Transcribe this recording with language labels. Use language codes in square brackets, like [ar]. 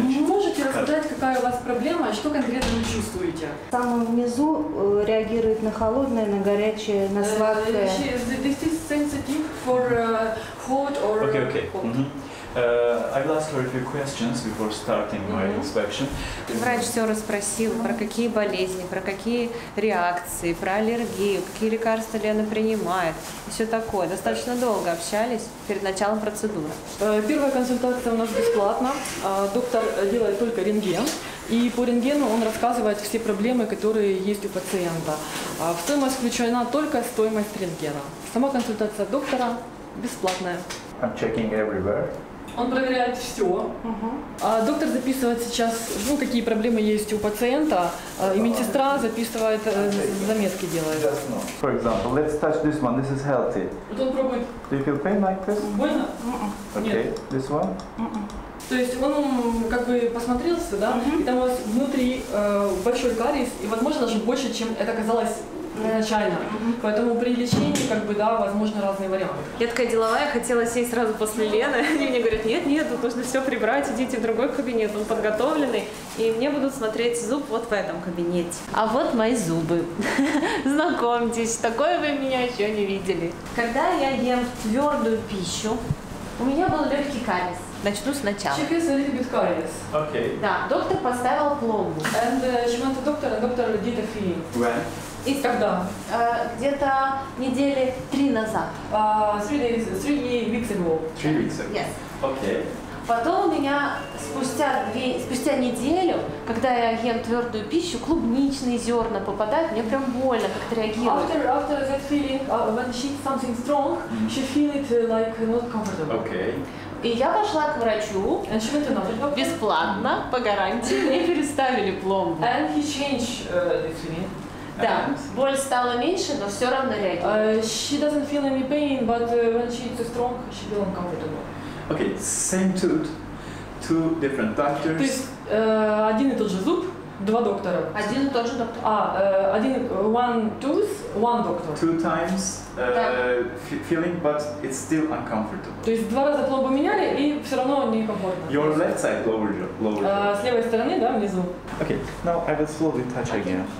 [ru] Вы можете рассказать, какая у вас проблема, что конкретно вы чувствуете? Самое внизу реагирует на холодное, на горячее, на сладкое. [en] This is sensitive for hot or okay, okay. Hot. Mm-hmm. I will ask her a few questions before starting my inspection. [ru] Врач все расспросил про какие болезни, про какие реакции, про аллергию, какие лекарства Лена принимает, все такое. Достаточно долго общались перед началом процедуры. Первая консультация у нас бесплатна. Доктор делает только рентген. И по рентгену он рассказывает все проблемы, которые есть у пациента. В стоимость включена только стоимость рентгена. Сама консультация доктора бесплатная. [en] I'm checking everywhere. [ru] Он проверяет все. Uh-huh. А доктор записывает сейчас, какие проблемы есть у пациента, и медсестра записывает, заметки делает. [en] For example, let's touch this one. This is healthy. [ru] Вот он пробует. [en] Do you feel pain like this? [ru] Больно? [en] Okay. [ru] Нет. [en] This one? Uh-uh. [ru] То есть он посмотрелся, да? Uh-huh. И там у вас внутри большой кариес, и возможно даже больше, чем это казалось. Изначально. Mm-hmm. Поэтому при лечении, возможно, разные варианты. Я такая деловая, хотела сесть сразу после Лены. Они мне говорят, нет, тут нужно все прибрать, идите в другой кабинет, он подготовленный. И мне будут смотреть зуб вот в этом кабинете. А вот мои зубы. Знакомьтесь, такое вы меня еще не видели. Когда я ем твердую пищу, у меня был легкий кариес. Начну сначала. [en] She has a little bit caries. Okay. [ru] Да, доктор поставил пломбу. [en] And she went to doctor, and doctor did a filling. When? [ru] Когда? Где-то недели три назад. [en] Three weeks ago. Yes. Okay. [ru] Потом у меня спустя неделю, когда я ем твердую пищу, клубничные зерна попадают, мне прям больно как-то реагирует. [en] After that feeling, when she eats something strong, she feel it not comfortable. Okay. [ru] И я пошла к врачу, бесплатно, по гарантии, мне переставили пломбу. [en] And he changed it for me. [ru] Да, боль стала меньше, но все равно реагирует. [en] She doesn't feel any pain, but when she eats strong, she feels uncomfortable. Okay, same tooth, two different doctors. [ru] То есть один и тот же зуб, два доктора. Один и тот же доктор. [en] One tooth, one doctor. Two times feeling, but it's still uncomfortable. [ru] То есть два раза пломбу меняли и все равно некомфортно. [en] Your left side lower jaw. [ru] С левой стороны, да, внизу. [en] Okay, now I will slowly touch again.